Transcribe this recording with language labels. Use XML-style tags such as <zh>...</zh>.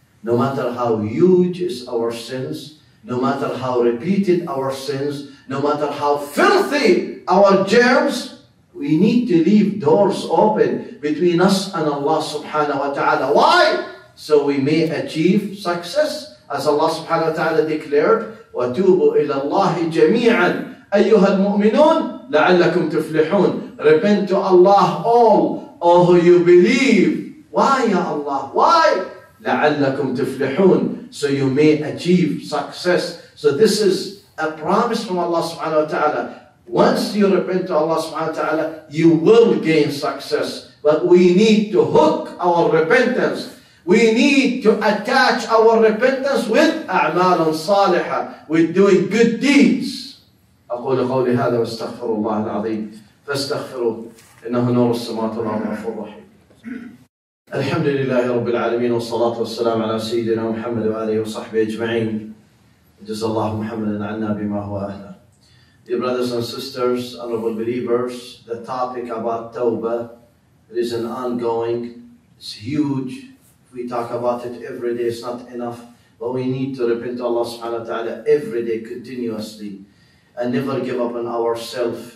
<en>No matter how huge is our sins, no matter how repeated our sins, no matter how filthy our germs, we need to leave doors open between us and Allah subhanahu wa ta'ala. Why? So we may achieve success. As Allah subhanahu wa ta'ala declared,</en> <ar>وَتُوبُوا إِلَى اللَّهِ جَمِيعًا أَيُّهَا الْمُؤْمِنُونَ لَعَلَّكُمْ تُفْلِحُونَ.</ar> <en>Repent to Allah all. Oh, you believe. Why, Ya Allah? Why?</en> <ar>لَعَلَّكُمْ تُفْلِحُونَ.</ar> <en>So you may achieve success. So this is a promise from Allah subhanahu wa ta'ala. Once you repent to Allah subhanahu wa ta'ala, you will gain success. But we need to hook our repentance. We need to attach our repentance with</en> <ar>أعمال صالحة,</ar> <en>with doing good deeds.</en> <ar>أقول قولي هذا واستغفر الله العظيم فاستغفروا. إنه نور السماوات والأرض غفور رحيم. الحمد لله رب العالمين والصلاة والسلام على سيدنا محمد وآله وصحبه أجمعين. جزا الله محمدا عنا بما هو أهله.</ar> <en>Dear brothers and sisters, honorable believers, the topic about Tawba is an ongoing, it's huge. We talk about it every day, it's not enough. But we need to repent to Allah subhanahu wa ta'ala every day continuously and never give up on ourselves.</en>